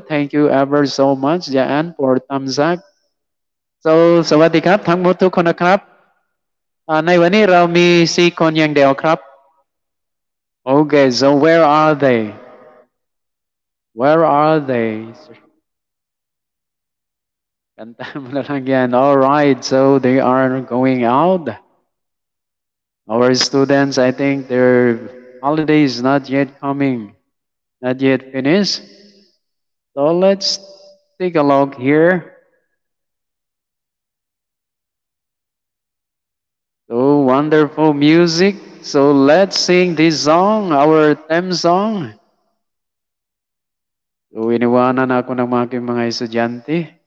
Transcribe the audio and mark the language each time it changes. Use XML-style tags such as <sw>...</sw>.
<en>Thank you ever so much, Jaan, for thumbs up.</en> <th>So, สวัสดีครับทั้งหมดทุกคนนะครับในวันนี้เรามี4คนอย่างเดียวครับ</th> <en>Okay, so where are they? Where are they?</en> <th>กันตามนะครับ</th> <en>All right, so they are going out. Our students, I think their holiday is not yet coming, not yet finished. So let's take a look here. So wonderful music. So let's sing this song, our theme song.</en> <tl>So iniwanan ako ng aking mga estudyante.</tl>